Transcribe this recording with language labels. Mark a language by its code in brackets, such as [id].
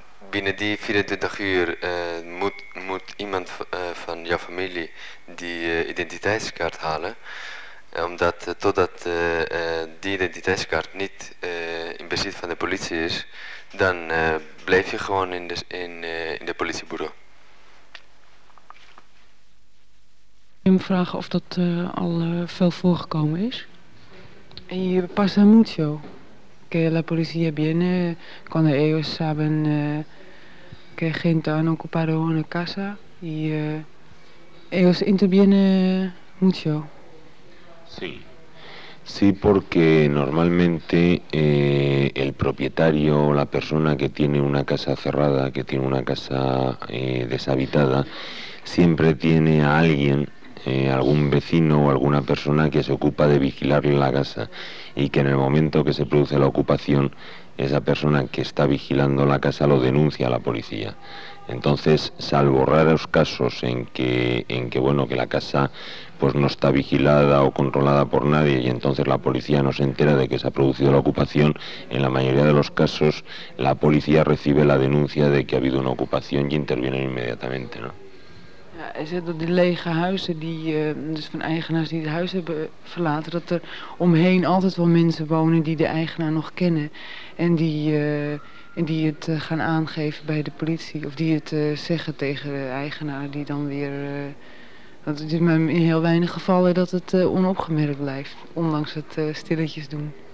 [nl] Binnen die 24 uur moet iemand van jouw familie die identiteitskaart halen, omdat totdat die identiteitskaart niet in bezit van de politie is, dan blijf je gewoon in de politiebureau. Ik wil me vragen of dat al veel voorgekomen is. [es] En je pasa mucho que la policía viene cuando ellos saben que gente han ocupado una casa y ellos intervienen mucho. Sí, sí, porque normalmente el propietario o la persona que tiene una casa cerrada, que tiene una casa deshabitada, siempre tiene a alguien. Algún vecino o alguna persona que se ocupa de vigilar la casa y que en el momento que se produce la ocupación esa persona que está vigilando la casa lo denuncia a la policía. Entonces, salvo raros casos en que la casa pues no está vigilada o controlada por nadie y entonces la policía no se entera de que se ha producido la ocupación, en la mayoría de los casos la policía recibe la denuncia de que ha habido una ocupación y interviene inmediatamente, ¿no? [nl] Hij zegt dat de lege huizen, dus van eigenaars die het huis hebben verlaten, dat er omheen altijd wel mensen wonen die de eigenaar nog kennen. En die het gaan aangeven bij de politie. Of die het zeggen tegen de eigenaar, die dan weer... Want het is maar in heel weinig gevallen dat het onopgemerkt blijft, ondanks het stilletjes doen.